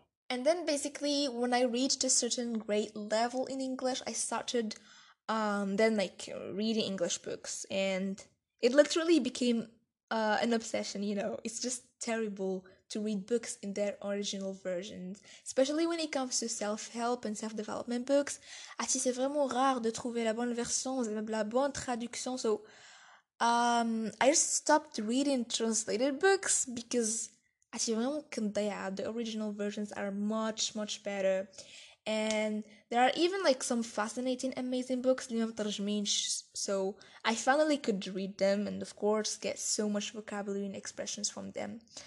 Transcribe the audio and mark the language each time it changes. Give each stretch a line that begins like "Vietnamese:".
English: And then basically, when I reached a certain grade level in English, I started then like reading English books, and it literally became an obsession, you know? It's just terrible to read books in their original versions, especially when it comes to self-help and self-development books.
French: Ah, si, c'est vraiment rare de trouver la bonne version, la bonne traduction.
English: So, I just stopped reading translated books because ah, si, vraiment, the original versions are much, much better. And there are even like some fascinating, amazing books, so I finally could read them and, of course, get so much vocabulary and expressions from them.